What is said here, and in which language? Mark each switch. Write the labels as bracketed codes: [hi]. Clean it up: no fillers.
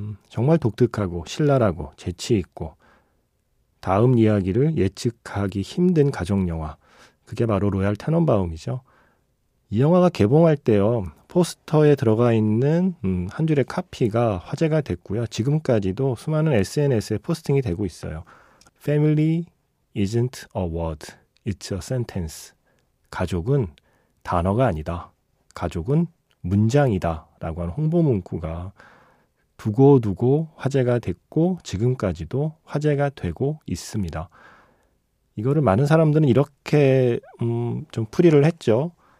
[ko] 정말 독특하고 신랄하고 재치있고 다음 이야기를 예측하기 힘든 가족영화. 그게 바로 로얄 테넌바움이죠. 이 영화가 개봉할 때요. 포스터에 들어가 있는 한 줄의 카피가 화제가 됐고요. 지금까지도 수많은 SNS에 포스팅이 되고 있어요. [en] Family isn't a word, it's a sentence. [ko] 가족은 단어가 아니다. 가족은 문장이다 라고 하는 홍보 문구가 두고두고 화제가 됐고 지금까지도 화제가 되고 있습니다. 이거를 많은 사람들은 이렇게 좀 풀이를 했죠.